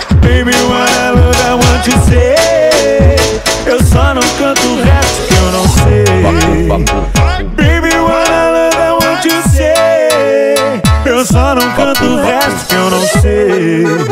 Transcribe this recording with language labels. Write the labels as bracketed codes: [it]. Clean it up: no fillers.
[en] Baby, what I look at, what you say? [pt] Eu só não canto o resto que eu não sei. [en] Baby, what I look at, what you say? [pt] Eu só não canto o resto que eu não sei.